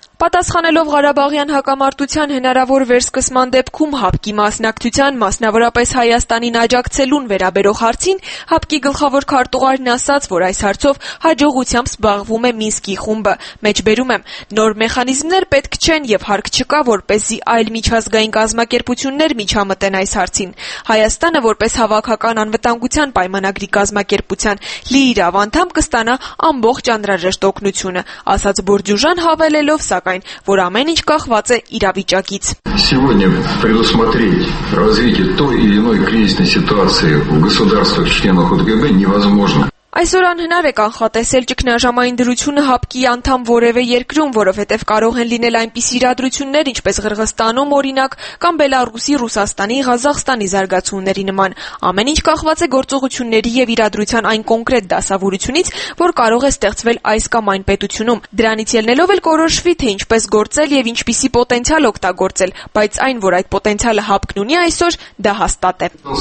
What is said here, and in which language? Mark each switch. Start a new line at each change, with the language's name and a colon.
Armenian: Պատասխանելով Ղարաբաղյան հակամարտության հնարավոր վերսկսման դեպքում ՀԱՊԿ-ի մասնակցության, մասնավորապես Հայաստանին աջակցելուն վերաբերող հարցին, ՀԱՊԿ-ի գլխավոր քարտուղարն ասաց, որ այս հարցով հաջողությամբ զբաղվում է Մինսկի խումբը։ Մեջբերում եմ, նոր մեխանիզմներ պետք չեն եւ հարկ չկա, որպեսզի այլ միջազգային կազմակերպություններ միջամտեն այս հարցին։ Հայաստանը, որպես հավաքական անվտանգության պայմանագրի կազմակերպության լի իրավ անդամ, կստանա ամբողջ անհրաժեշտ օգնությունը, ասաց Բորդյուժան, հավելելով, սակայն, որ ամեն ինչ կախված է իրավիճակից։
Russian: Сегодня предусмотреть развитие той или иной кризисной ситуации в государствах-членах ОДКБ невозможно.
Armenian: Այսօր անհնար է կանխատեսել ճգնաժամային դրությունը ՀԱՊԿ-ի անդամ որևէ երկրում, որովհետև կարող են լինել այնպիսի իրադրություններ, ինչպես Ղրղստանում, օրինակ, կամ Բելարուսի, Ռուսաստանի, Ղազախստանի զարգացումների նման։ Ամեն ինչ կախված է գործողությունների եւ իրադրության այն կոնկրետ դասավորությունից, որ կարող է ստեղծվել այս կամ այն պետությունում։ Դրանից ելնելով էլ կորոշվի, թե ինչպես գործել եւ ինչպիսի պոտենցիալ օգտագործել, բայց այն, որ այդ պոտենցիալը ՀԱՊԿ-ն ունի այսօր, դա հաստատ է։